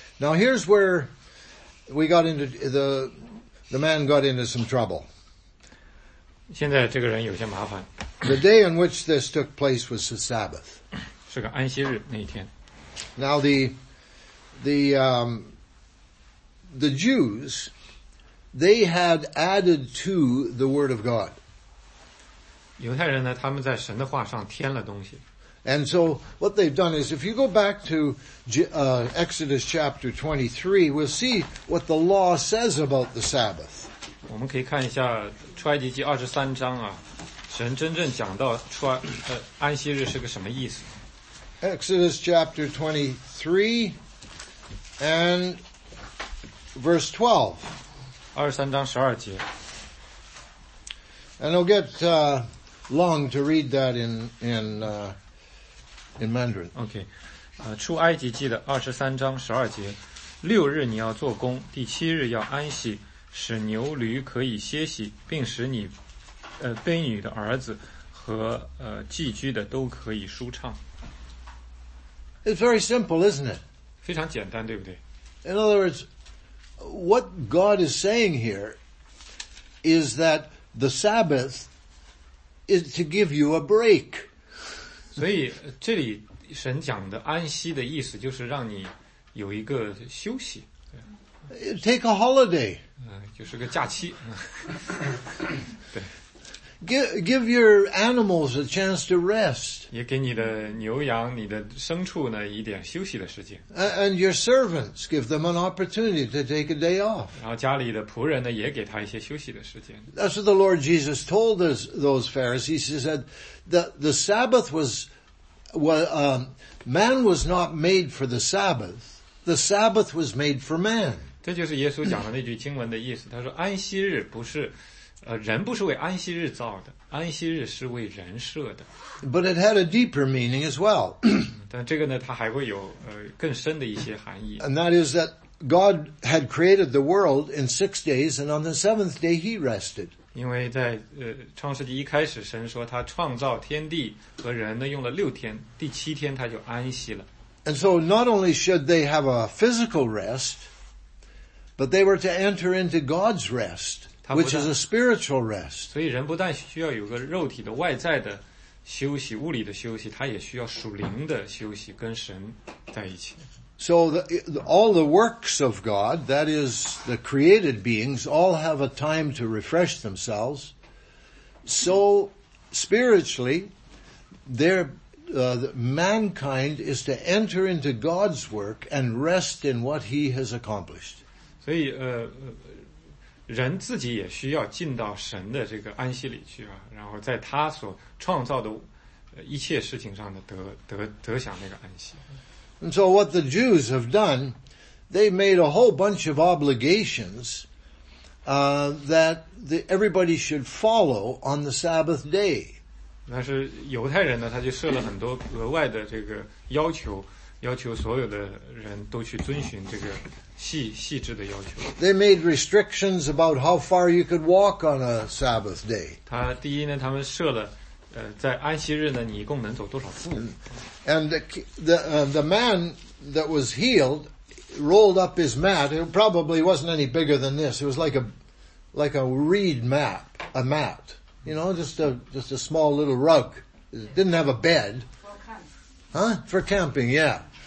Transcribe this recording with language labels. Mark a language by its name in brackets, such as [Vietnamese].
[English] Now here's where we got into the man got into some trouble. [Chinese] 现在这个人有些麻烦。 [English] The day on which this took place was the Sabbath. [Chinese] 是个安息日那一天。 [English] Now the Jews, they had added to the Word of God. [Chinese] 犹太人呢，他们在神的话上添了东西。 [English] And so what they've done is, if you go back to Exodus chapter 23, we'll see what the law says about the Sabbath. [Chinese] 我们可以看一下出埃及记二十三章啊，神真正讲到出安息日是个什么意思。 [English] Exodus chapter 23 and verse 12. [Chinese] 二十三章十二节。 [English] And I'll get long to read that in Mandarin. Okay. [Chinese] 出埃及记的二十三章十二节，六日你要做工，第七日要安息，使牛驴可以歇息，并使你婢女的儿子和寄居的都可以舒畅。 [English] It's very simple, isn't it? [Chinese] 非常简单，对不对？ [English] In other words, what God is saying here is that the Sabbath is to give you a break. [Chinese] 所以这里神讲的安息的意思就是让你有一个休息。 [English] Take a holiday. [Chinese] 就是个假期。 [English] Give your animals a chance to rest. [Chinese] 也给你的牛羊你的牲畜呢一点休息的时间。 [English] And your servants, give them an opportunity to take a day off. [Chinese] 然后家里的仆人呢也给他一些休息的时间。 [English] That's what the Lord Jesus told those Pharisees. He said that the Sabbath man was not made for the Sabbath. The Sabbath was made for man. [Chinese] 这就是耶稣讲的那句经文的意思。他说安息日不是人不是为安息日造的，安息日是为人设的。 [English] But it had a deeper meaning as well. [Chinese] 但这个呢，它还会有更深的一些含义。 [English] And that is that God had created the world in 6 days, and on the seventh day He rested. [Chinese] 因为在创世纪一开始，神说他创造天地和人呢，用了六天，第七天他就安息了。 [English] And so not only should they have a physical rest, but they were to enter into God's rest. Which is a spiritual rest. [Chinese] 所以人不但需要有个肉体的外在的休息，物理的休息，他也需要属灵的休息，跟神在一起。 [English] So all the works of God, that is the created beings, all have a time to refresh themselves. So spiritually, mankind is to enter into God's work and rest in what He has accomplished. [Chinese] 所以人自己也需要进到神的这个安息里去啊，然后在他所创造的一切事情上的得享那个安息。 [English] And so what the Jews have done, they made a whole bunch of obligations, that everybody should follow on the Sabbath day. [Chinese] 但是犹太人呢，他就设了很多额外的这个要求，要求所有的人都去遵循这个。细致的要求。 [English] They made restrictions about how far you could walk on a Sabbath day. [Chinese] 他第一呢，他们设了，在安息日呢，你一共能走多少步。 [English] And the man that was healed rolled up his mat. It probably wasn't any bigger than this. It was like a reed mat, a mat. You know, just a small little rug. It didn't have a bed. For camping, yeah.